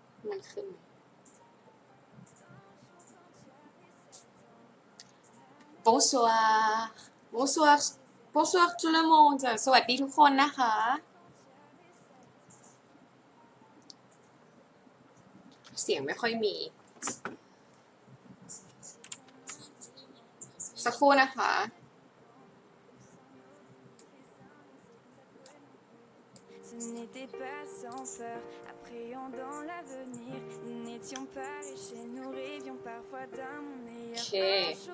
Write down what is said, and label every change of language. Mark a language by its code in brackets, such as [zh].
[th] มันขึ้น [fr] Bonsoir tout le monde. [th] สวัสดีทุกคนนะคะเสียงไม่ค่อยมีสักครู่นะคะ [fr] N'était pas sans peur, appréhendant l'avenir. N'étions pas riches, nous rêvions parfois d'un meilleur.